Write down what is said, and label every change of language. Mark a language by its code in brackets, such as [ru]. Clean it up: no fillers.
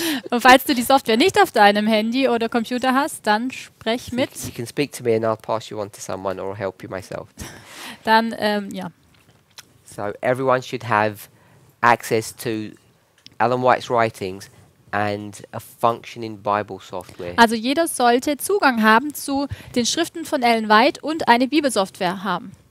[de] Und falls du die Software nicht auf deinem Handy oder Computer hast, dann sprech mit. [en] You can speak to me and I'll pass you on to someone or help you myself. [de] Dann, ja. [en] So everyone should have access to Ellen White's writings and a functioning Bible software. [de] Also jeder sollte Zugang haben zu den Schriften von Ellen White und eine Bibelsoftware haben.